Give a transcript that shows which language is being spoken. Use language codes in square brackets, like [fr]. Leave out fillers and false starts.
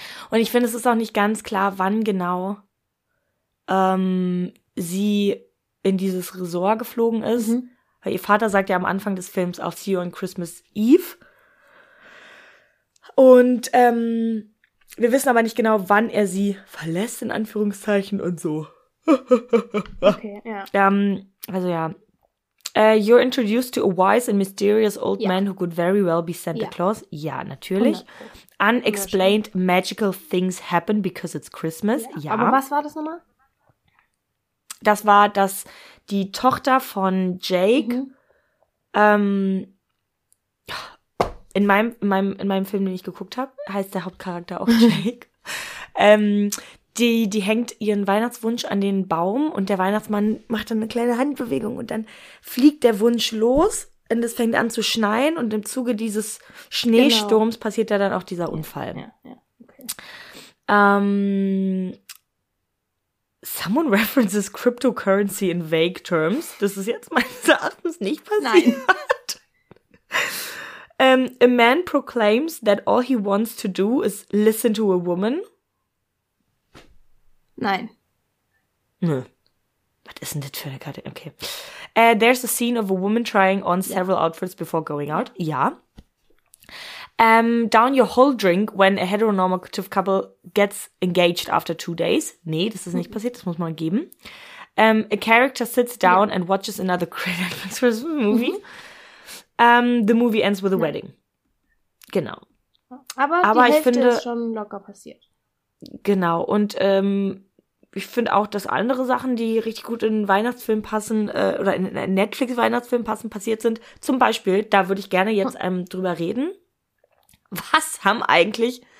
[de] Und ich finde, es ist auch nicht ganz klar, wann genau sie in dieses Resort geflogen ist. Mhm. Weil ihr Vater sagt ja am Anfang des Films auch, [en] see you on Christmas Eve. [de] Und wir wissen aber nicht genau, wann er sie verlässt, in Anführungszeichen, und so. Okay, ja. Also ja. [en] You're introduced to a wise and mysterious old man who could very well be Santa Claus. [de] Ja, natürlich. [en] 100%. Unexplained magical things happen because it's Christmas. [de] Ja. Aber was war das nochmal? Das war, dass die Tochter von Jake in meinem Film, den ich geguckt habe, heißt der Hauptcharakter auch Jake. Die hängt ihren Weihnachtswunsch an den Baum und der Weihnachtsmann macht dann eine kleine Handbewegung und dann fliegt der Wunsch los und es fängt an zu schneien und im Zuge dieses Schneesturms passiert da dann auch dieser Unfall. Ja, okay. [en] Someone references cryptocurrency in vague terms. [de] Das ist jetzt meines Erachtens nicht passiert. Nein. [en] a man proclaims that all he wants to do is listen to a woman. [de] Nein. Nö. Was ist denn das für eine Karte? Okay. [en] There's a scene of a woman trying on several outfits before going out. Ja. Down your whole drink when a heteronormative couple gets engaged after 2 days. [de] Nee, das ist nicht passiert. Das muss man geben. [en] A character sits down and watches another Christmas movie. the movie ends with a wedding. [de] Genau. Aber die Hälfte ist schon locker passiert. Genau. Und ich finde auch, dass andere Sachen, die richtig gut in einen Weihnachtsfilm passen oder in einen Netflix-Weihnachtsfilm passen, passiert sind. Zum Beispiel, da würde ich gerne jetzt drüber reden. Was haben eigentlich...